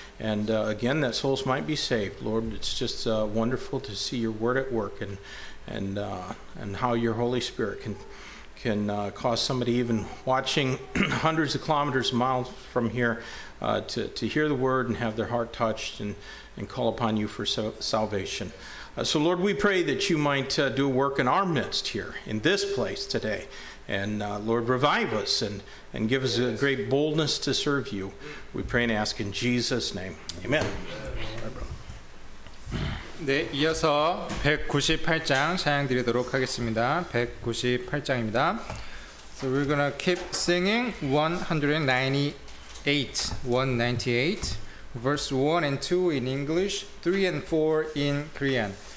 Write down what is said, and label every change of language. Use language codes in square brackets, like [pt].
[en] And again, that souls might be saved. Lord, it's just wonderful to see your word at work and how your Holy Spirit can cause somebody even watching hundreds of kilometers, miles from here to hear the word and have their heart touched and call upon you for salvation. So Lord, we pray that you might do a work in our midst here in this place today. And Lord, revive us and give us a great boldness to serve you. We pray and ask in Jesus' name. Amen. [ko] 네, 이어서 198장 찬양 드리도록 하겠습니다. 198장입니다. [en] So we're gonna keep singing 198, verse 1 and 2 in English, 3 and 4 in Korean.